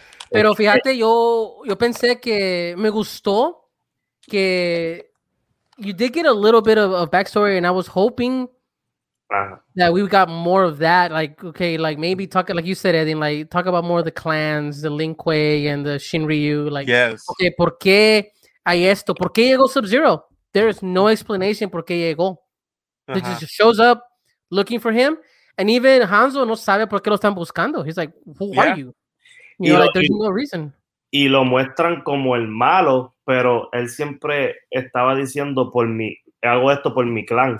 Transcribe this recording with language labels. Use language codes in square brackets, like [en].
[es] pero fíjate, yo pensé que me gustó que... [en] You did get a little bit of backstory, and I was hoping that we got more of that. Like, okay, like maybe talk... Like you said, Edin, like talk about more of the clans, the Lin Kuei and the Shinryu. Like, yes. [es] Okay, ¿por qué hay esto? ¿Por qué llegó Sub-Zero? [en] There is no explanation [es] por qué llegó. [en] He just shows up looking for him, and even Hanzo [es] no sabe por qué lo están buscando. [en] He's like, who are you? There's no reason. [es] Y lo muestran como el malo, pero él siempre estaba diciendo, hago esto por mi clan.